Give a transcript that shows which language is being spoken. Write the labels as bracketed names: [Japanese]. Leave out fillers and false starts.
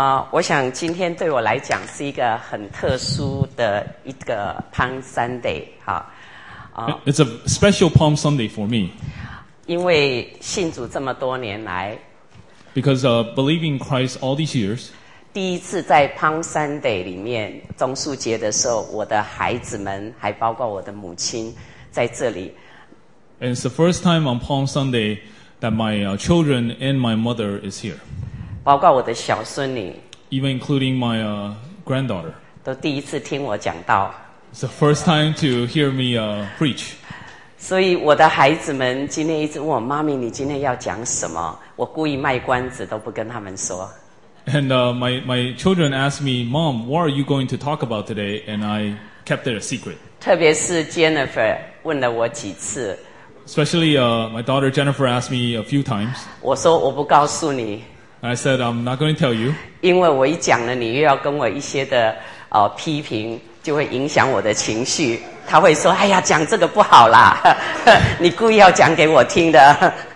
[Chinese] 我想今天对我来讲是一个很特殊的一个 Palm Sunday。 [English] It's a special Palm Sunday for me. [Chinese] 因为信主这么多年来， [English] Because believing Christ all these years, [Chinese] 第一次在 Palm Sunday 里面中树节的时候，我的孩子们还包括我的母亲在这里。 [English] And it's the first time on Palm Sunday that my children and my mother is here. [Chinese] 包括我的小孙女， [English] even including my granddaughter. [Chinese] 都第一次听我讲道。 [English] It's the first time to hear me preach. [Chinese] 所以我的孩子们今天一直问我，妈咪，你今天要讲什么？我故意卖关子，都不跟他们说。 [English] And my children asked me, Mom, what are you going to talk about today? And I kept it a secret. [Chinese] 特别是 Jennifer 问了我几次。 [English] Especially my daughter Jennifer asked me a few times. [Chinese] 我说我不告诉你。 [English] I said, I'm not going to tell you. [Chinese] 因为我一讲了，你又要跟我一些的批评，就会影响我的情绪。他会说，哎呀，讲这个不好啦，你故意要讲给我听的。